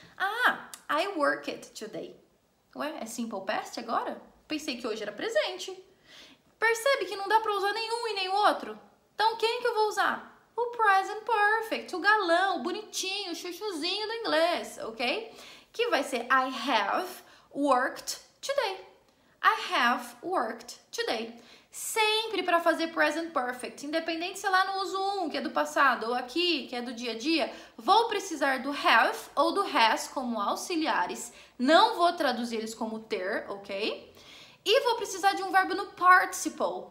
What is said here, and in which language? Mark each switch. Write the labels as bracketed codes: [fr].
[en] Ah, I work it today. [pt] Ué, é simple past agora? Pensei que hoje era presente. Percebe que não dá pra usar nenhum e nem outro? Então quem que eu vou usar? O present perfect, o galão, o bonitinho, o chuchuzinho do inglês, ok? Que vai ser [en] I have worked today. I have worked today. [pt] Sempre pra fazer present perfect, independente se é lá no uso 1, que é do passado, ou aqui, que é do dia a dia, vou precisar do have ou do has como auxiliares. Não vou traduzir eles como ter, ok? E vou precisar de um verbo no participle.